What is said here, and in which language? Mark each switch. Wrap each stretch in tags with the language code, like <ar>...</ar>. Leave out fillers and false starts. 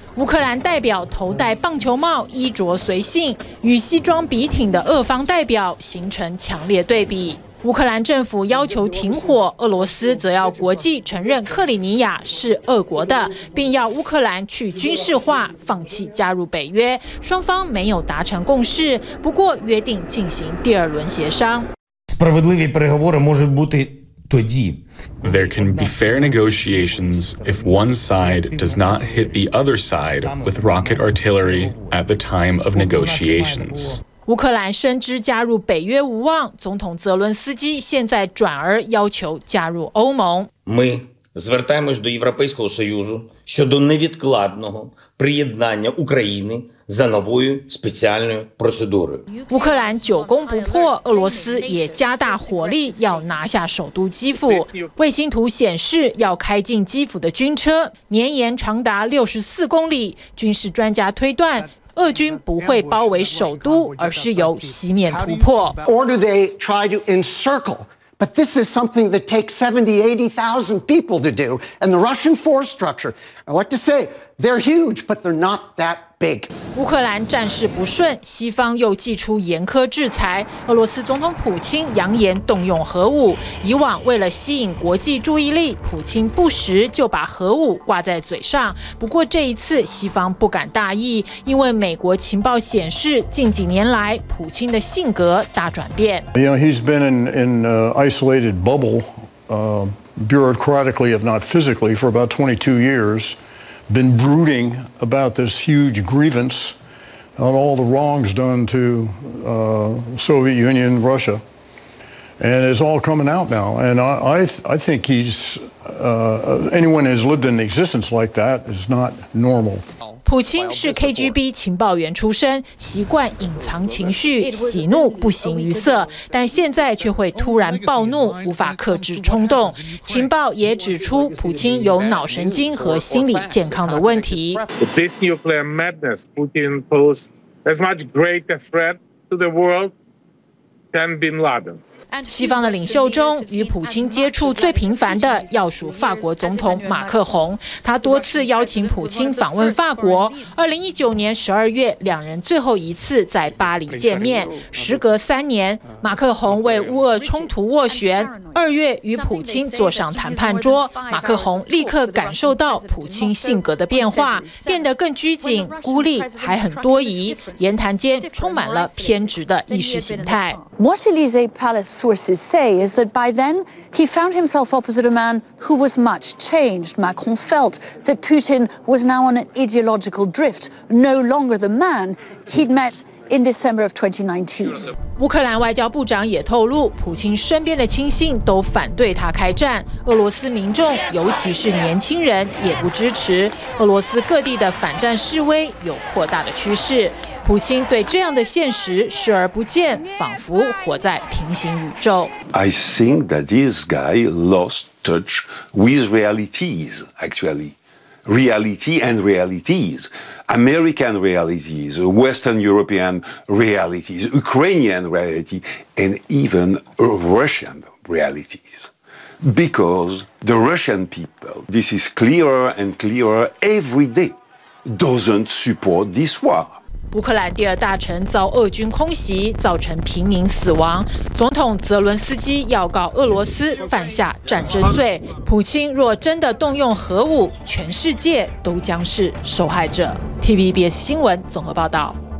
<zh>乌克兰代表头戴棒球帽，衣着随性，与西装笔挺的俄方代表形成强烈对比。乌克兰政府要求停火，俄罗斯则要国际承认克里米亚是俄国的，并要乌克兰去军事化，放弃加入北约。双方没有达成共识，不过约定进行第二轮协商。</zh> <uk>Справедливі переговори можуть бути тоді.</uk> <en>There can be fair negotiations if one side does not hit the other side with rocket artillery at the time of negotiations.</en> <zh>乌克兰深知加入北约无望，总统泽伦斯基现在转而要求加入欧盟。</zh> <uk>Ми звертаємось до Європейського Союзу щодо невідкладного приєднання України за новою спеціальною процедурою。</uk> <zh>乌克兰久攻不破，俄罗斯也加大火力要拿下首都基辅。卫星图显示，要开进基辅的军车绵延长达64公里。军事专家推断，俄军不会包围首都，而是由西面突破。</zh> <en>Or do they try to encircle? But this is something that takes 70,000-80,000 people to do, and the Russian force structure. I like to say they're huge, but they're not that big.</en> <zh>乌克兰战事不顺，西方又祭出严苛制裁。俄罗斯总统普京扬言动用核武。以往为了吸引国际注意力，普京不时就把核武挂在嘴上。不过这一次，西方不敢大意，因为美国情报显示，近几年来普京的性格大转变。</zh> <en>You know, he's been in isolated bubble, bureaucratically, if not physically, for about 22 years. Been brooding about this huge grievance on all the wrongs done to Soviet Union, Russia. And it's all coming out now. And I think he's anyone who's lived in existence like that is not normal.</en> <zh>普京是 KGB 情报员出身，习惯隐藏情绪，喜怒不形于色，但现在却会突然暴怒，无法克制冲动。情报也指出，普京有脑神经和心理健康的问题。</zh> <en>This nuclear madness Putin posed as much greater threat to the world than Bin Laden.</en> <zh>西方的领袖中，与普京接触最频繁的要数法国总统马克宏。他多次邀请普京访问法国。2019年12月，两人最后一次在巴黎见面。时隔3年，马克宏为乌俄冲突斡旋。 2月与普京坐上谈判桌，马克宏立刻感受到普京性格的变化，变得更拘谨、孤立，还很多疑，言谈间充满了偏执的意识形态。</zh> <en>Sources say is that by then he found himself opposite a man who was much changed. Macron felt that Putin was now on an ideological drift, no longer the man he'd met in December of 2019.</en> <zh>乌克兰外交部长也透露，普京身边的亲信都反对他开战，俄罗斯民众，尤其是年轻人，也不支持。俄罗斯各地的反战示威有扩大的趋势。普京对这样的现实视而不见，仿佛活在平行宇宙。</zh> <en>I think that this guy lost touch with realities, actually. reality and realities, American realities, Western European realities, Ukrainian reality, and even Russian realities. Because the Russian people, this is clearer and clearer every day, doesn't support this war.</en> <zh>乌克兰第二大城遭俄军空袭，造成平民死亡。总统泽伦斯基要告俄罗斯犯下战争罪。普京若真的动用核武，全世界都将是受害者。 TVBS 新闻综合报道。</zh>